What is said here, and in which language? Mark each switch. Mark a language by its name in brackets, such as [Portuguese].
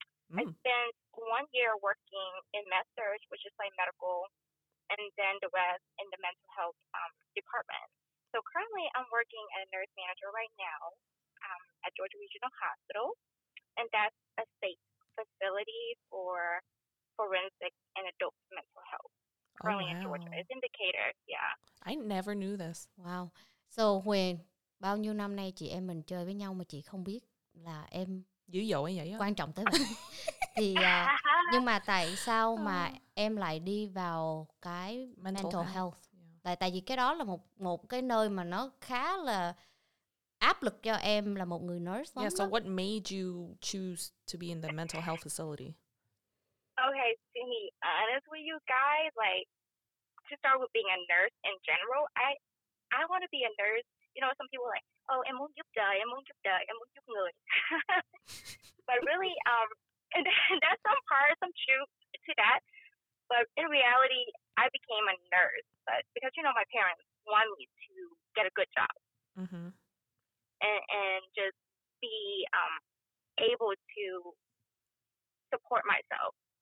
[English] Mm. I spent 1 year working in med-surg, which is like medical, and then the rest in the mental health department. So currently, I'm working as a nurse manager right now at Georgia Regional Hospital, and that's a state facility for forensic and adult mental health. Currently in Georgia. It's in Decatur, yeah. I never knew this. Wow. [Vietnamese] So Huyền, bao nhiêu năm nay chị em mình chơi với nhau mà chị không biết là em dữ dội vậy quan trọng tới vậy. Thì nhưng mà tại sao mà em lại đi vào cái mental health? Tại vì cái đó là một cái nơi mà nó khá là áp lực cho em là một người nurse. [English] Yeah, so [Vietnamese] đó. [English] What made you choose to be in the mental health facility? Okay, see, honest with you guys, like, to start with being a nurse in general, I want to be a nurse. You know, some people are like, oh, [Vietnamese] em muốn giúp đời, em muốn giúp đời, em muốn giúp người. [English] But really, and that's some part, some truth to that. But in reality, I became a nurse, but because, you know, my parents want me to get a good job. Mm-hmm. And just be able to support myself.